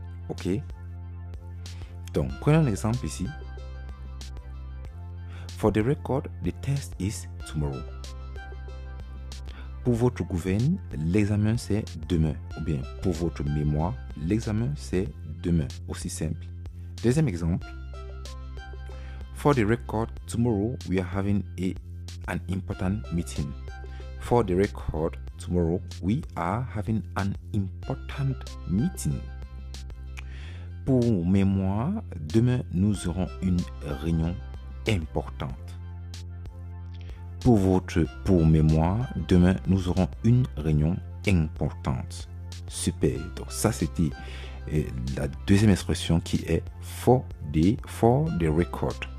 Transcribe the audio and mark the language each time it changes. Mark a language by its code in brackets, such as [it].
[fr] Okay, donc prenons l'exemple ici. [en] For the record, the test is tomorrow. [fr] Pour votre gouverne, l'examen c'est demain. Ou bien pour votre mémoire, l'examen c'est demain. Aussi simple. Deuxième exemple. [en] For the record, tomorrow we are having an important meeting. For the record, tomorrow we are having an important meeting. [fr] Pour mémoire, demain nous aurons une réunion importante. Pour mémoire, demain nous aurons une réunion importante. Super. Donc ça c'était la deuxième expression qui est for the record.